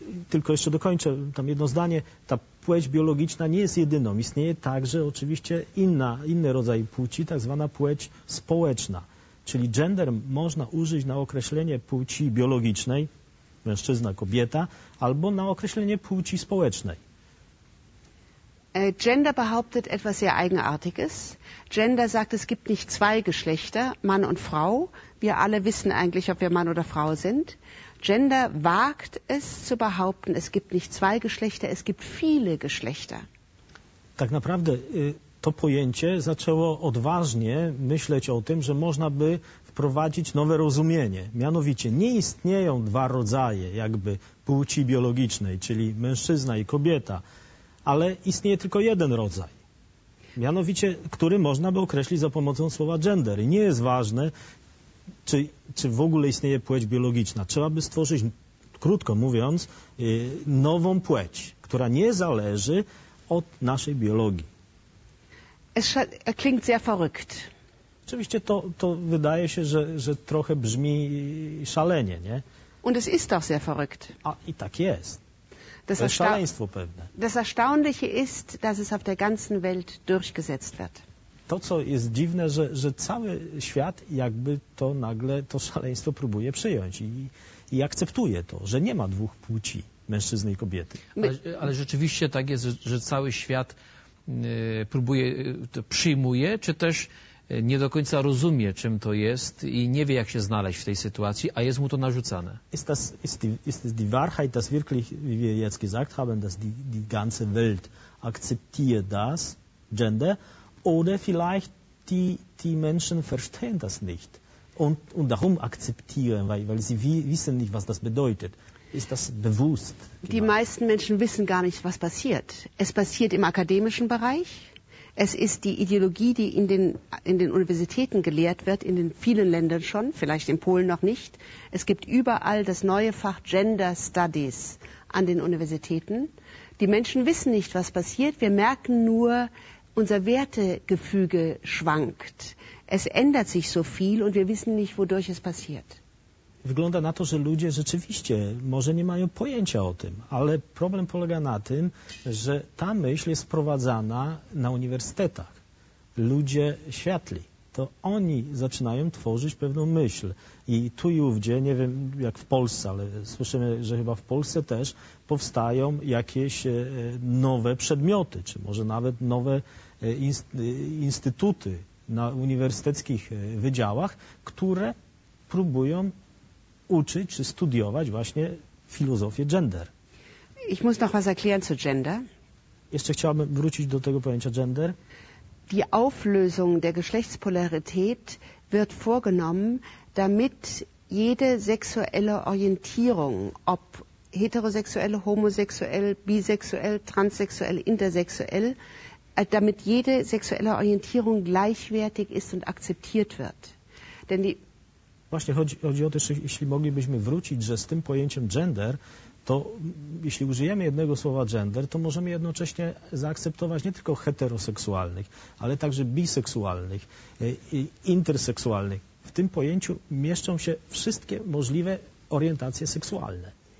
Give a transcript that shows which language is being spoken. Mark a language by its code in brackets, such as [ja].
[pl] Tylko jeszcze dokończę tam jedno zdanie. Ta płeć biologiczna nie jest jedyną. Istnieje także oczywiście inny rodzaj płci, tak zwana płeć społeczna. Czyli gender można użyć na określenie płci biologicznej, mężczyzna, kobieta, albo na określenie płci społecznej. [de] Gender behauptet etwas sehr Eigenartiges. Gender sagt, es gibt nicht zwei Geschlechter, Mann und Frau. Wir alle wissen eigentlich, ob wir Mann oder Frau sind. Gender wagt es zu behaupten, es gibt nicht zwei Geschlechter, es gibt viele Geschlechter. [pl] Tak naprawdę to pojęcie zaczęło odważnie myśleć o tym, że można by wprowadzić nowe rozumienie. Mianowicie nie istnieją dwa rodzaje jakby płci biologicznej, czyli mężczyzna i kobieta, ale istnieje tylko jeden rodzaj. Mianowicie, który można by określić za pomocą słowa gender. I nie jest ważne, czy w ogóle istnieje płeć biologiczna. Trzeba by stworzyć, krótko mówiąc, nową płeć, która nie zależy od naszej biologii. [de] Es klingt sehr verrückt. [pl] Oczywiście to wydaje się, że trochę brzmi szalenie, nie? [de] Und es ist auch sehr verrückt. [pl] A i tak jest. [de] Das [pl] jest szaleństwo pewne. [de] Das Erstaunliche ist, dass es auf der ganzen Welt durchgesetzt wird. [pl] To, co jest dziwne, że cały świat jakby to nagle to szaleństwo próbuje przyjąć i akceptuje to, że nie ma dwóch płci, mężczyzny i kobiety. Ale rzeczywiście tak jest, że cały świat próbuje, to przyjmuje, czy też nie do końca rozumie, czym to jest i nie wie, jak się znaleźć w tej sytuacji, a jest mu to narzucane. [de] Ist die Wahrheit, das wirklich, wie wir jetzt gesagt haben, dass die ganze Welt akzeptiert das Gender, oder vielleicht die Menschen verstehen das nicht und darum akzeptieren, weil sie wissen nicht, was das bedeutet. Ist das bewusst? Die meisten Menschen wissen gar nicht, was passiert. Es passiert im akademischen Bereich. Es ist die Ideologie, die in den Universitäten gelehrt wird, in den vielen Ländern schon, vielleicht in Polen noch nicht. Es gibt überall das neue Fach Gender Studies an den Universitäten. Die Menschen wissen nicht, was passiert. Wir merken nur, unser Wertegefüge schwankt. Es ändert sich so viel und wir wissen nicht, wodurch es passiert. [pl] Wygląda na to, że ludzie rzeczywiście może nie mają pojęcia o tym, ale problem polega na tym, że ta myśl jest wprowadzana na uniwersytetach. Ludzie światli, to oni zaczynają tworzyć pewną myśl. I tu i ówdzie, nie wiem jak w Polsce, ale słyszymy, że chyba w Polsce też powstają jakieś nowe przedmioty, czy może nawet nowe instytuty na uniwersyteckich wydziałach, które próbują uczyć czy studiować właśnie filozofię gender. [de] Ich muss noch was erklären zu gender. [pl] Jeszcze chciałbym wrócić do tego pojęcia gender. [de] Die Auflösung der Geschlechtspolarität wird vorgenommen, damit jede sexuelle Orientierung, ob heterosexuell, homosexuell, bisexuell, transsexuell, intersexuell, damit jede sexuelle Orientierung gleichwertig ist und akzeptiert wird. Denn die [pl] Właśnie chodzi o to, że jeśli moglibyśmy wrócić, że z tym pojęciem gender, to jeśli użyjemy jednego słowa gender, to możemy jednocześnie zaakceptować nie tylko heteroseksualnych, ale także biseksualnych, interseksualnych. W tym pojęciu mieszczą się wszystkie możliwe orientacje seksualne.